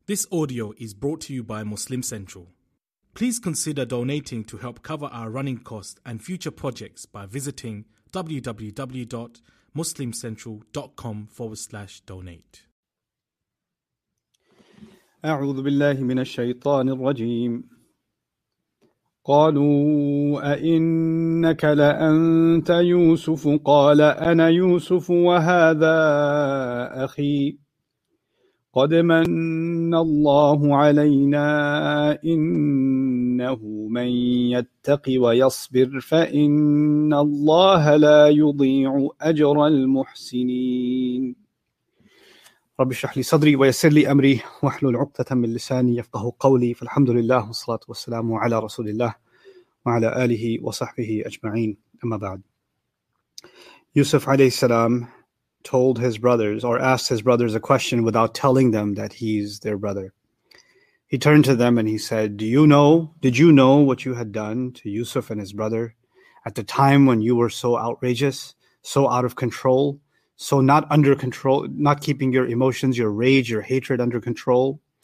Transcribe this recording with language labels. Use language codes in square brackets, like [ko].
[en] This audio is brought to you by Muslim Central. Please consider donating to help cover our running costs and future projects by visiting www.muslimcentral.com/donate. [ar] أعوذ بالله من الشيطان الرجيم. قالوا أإنك لأنت يوسف قال أنا يوسف وهذا أخي قد من الله علينا إنه من يتق ويصبر فإن الله لا يضيع أجر المحسنين رب اشرح لي صدري ويسر لي أمري واحلل عقدة من لساني يفقه قولي فالحمد لله والصلاة والسلام على رسول الله وعلى آله وصحبه أجمعين أما بعد. [en] يوسف عليه السلام told his brothers or asked his brothers a question without telling them that he's their brother. He turned to them and he said, Did you know what you had done to Yusuf and his brother at the time when you were so outrageous, so out of control, so not under control, not keeping your emotions, your rage, your hatred under control?